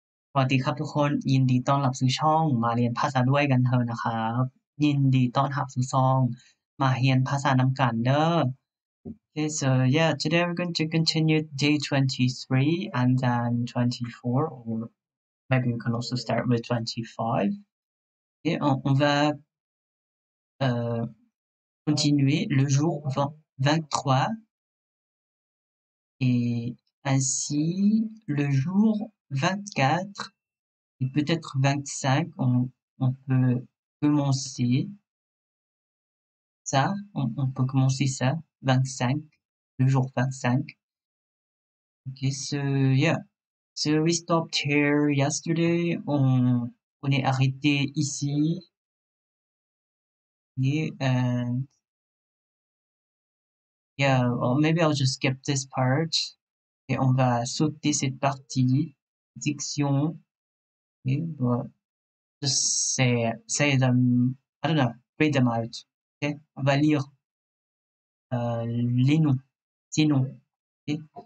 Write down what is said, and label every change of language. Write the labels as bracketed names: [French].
[Thai] สวัสดีครับทุกคนยินดีต้อนรับสู่ช่องมาเรียนภาษาด้วยกันเถอะนะครับยินดีต้อนรับสู่ช่องมาเรียนภาษานำกันเด้อ [English] Okay, so yeah, today we're going to continue day 23 and then 24, or maybe we can also start with 25. [French] Et on va continuer le jour 20, 23 et ainsi le jour 24 et peut-être 25, on peut commencer ça, on peut commencer ça, 25, le jour 25. [English] Okay, so yeah, so we stopped here yesterday, [French] on est arrêté ici, [English] yeah, and yeah, well, maybe I'll just skip this part, [French] et on va sauter cette partie. [English] Diction, okay, but just say them, I don't know, read them out, okay? [French] On va lire les noms, des noms, okay?